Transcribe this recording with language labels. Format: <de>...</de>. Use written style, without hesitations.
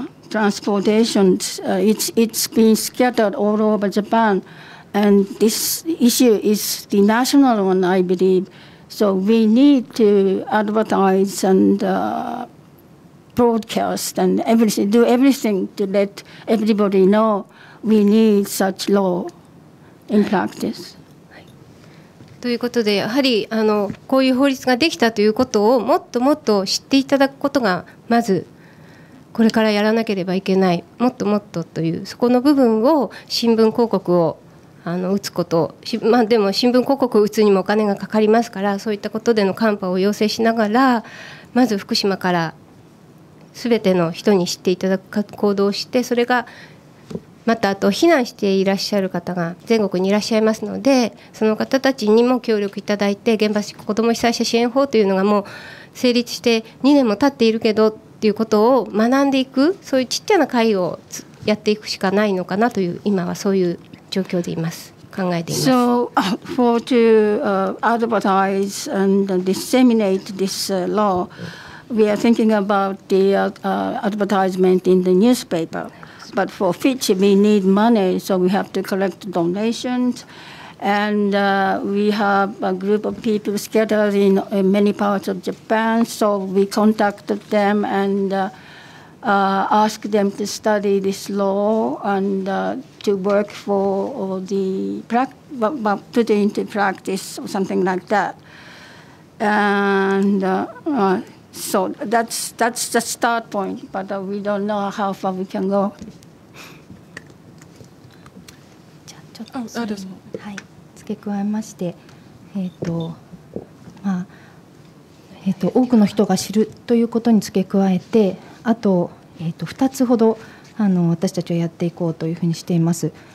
<en>transportation, it's been scattered all over Japan, and this issue is the national one, I believe. So we need to advertise and broadcast and everything, do everything to let everybody know we need such law in practice.</en> <ja>ということで、やはりこういう法律ができたということをもっともっと知っていただくことがまず。これからやらなければいけない、もっともっとというそこの部分を新聞広告を打つこと、まあ、でも新聞広告を打つにもお金がかかりますから、そういったことでのカンパを要請しながら、まず福島から全ての人に知っていただく行動をして、それがまたあと避難していらっしゃる方が全国にいらっしゃいますので、その方たちにも協力いただいて、原発子ども被災者支援法というのがもう成立して2年も経っているけどということを学んでいく、そういうちっちゃな会をやっていくしかないのかなという、今はそういう状況でいます、考えています。</ja> <en>So for to advertise and disseminate this law, we are thinking about the advertisement in the newspaper. But for which we need money, so we have to collect donations. And we have a group of people scattered in many parts of Japan. So we contacted them and asked them to study this law and to work for the put it into practice or something like that. And so that's the start point. But we don't know how far we can go.</en> <ja>ちょっとそれに付け加えまして、多くの人が知るということに付け加えて、あと、2つほど私たちはやっていこうというふうにしています。</ja>